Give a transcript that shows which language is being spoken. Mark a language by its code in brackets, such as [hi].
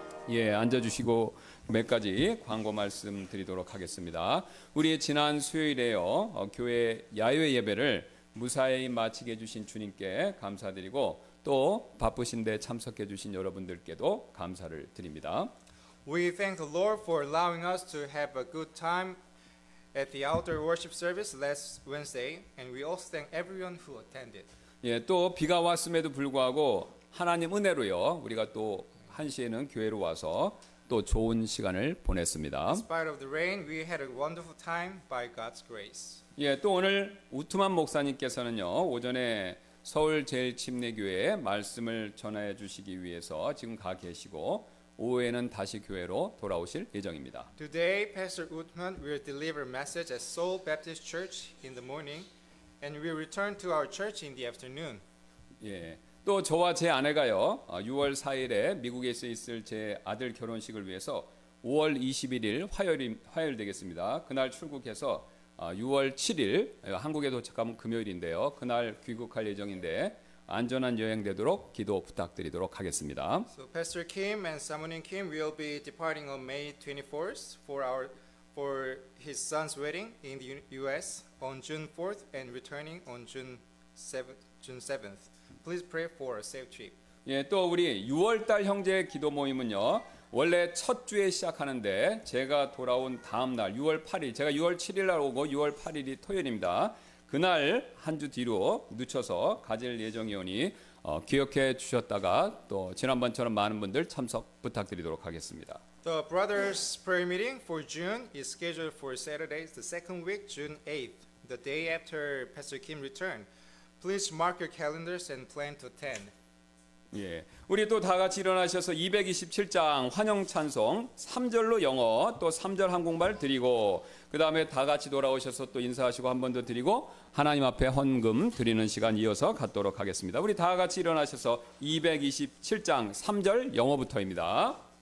[ko] 예, 앉아주시고 몇 가지 광고 말씀 드리도록 하겠습니다. 우리 지난 수요일에요 교회 야외 예배를 무사히 마치게 해주신 주님께 감사드리고 또 바쁘신데 참석해 주신 여러분들께도 감사를 드립니다. [en] We thank the Lord for allowing us to have a good time at the outdoor worship service last Wednesday and we also thank everyone who attended. [ko] 예, 또 비가 왔음에도 불구하고 하나님 은혜로요 우리가 또 1시에는 교회로 와서 또 좋은 시간을 보냈습니다. [en] In spite of the rain, we had a wonderful time by God's grace. [ko] 예, 또 오늘 우트만 목사님께서는요 오전에 서울 제일 침례교회에 말씀을 전해 주시기 위해서 지금 가 계시고 오후에는 다시 교회로 돌아오실 예정입니다. [en] Today, Pastor Utman will deliver a message at Seoul Baptist Church in the morning, and we'll return to our church in the afternoon. [ko] 예. 또 저와 제 아내가요 6월 4일에 미국에 있을 제 아들 결혼식을 위해서 5월 21일 화요일 되겠습니다. 그날 출국해서 6월 7일 한국에 도착하면 금요일인데요. 그날 귀국할 예정인데 안전한 여행 되도록 기도 부탁드리도록 하겠습니다. [en] So Pastor Kim and Samunin Kim will be departing on May 24th for his son's wedding in the U.S. on June 4th and returning on June 7th. Please pray for a safe trip. [ko] 예, 또 우리 6월달 형제 기도 모임은요 원래 첫 주에 시작하는데 제가 돌아온 다음 날 6월 8일 제가 6월 7일 날 오고 6월 8일이 토요일입니다. 그날 한 주 뒤로 늦춰서 가질 예정이오니 기억해 주셨다가 또 지난번처럼 많은 분들 참석 부탁드리도록 하겠습니다. [en] The brothers' prayer meeting for June is scheduled for Saturday, the second week, June 8th, the day after Pastor Kim returned. Please mark your calendars and plan to attend. [ko] 예, 우리 또 다 같이 일어나셔서 227장 환영 찬송 3절로 영어 또 3절 한국말 드리고 그 다음에 다 같이 돌아오셔서 또 인사하시고 한 번 더 드리고 하나님 앞에 헌금 드리는 시간 이어서 갖도록 하겠습니다. 우리 다 같이 일어나셔서 227장 3절 영어부터입니다.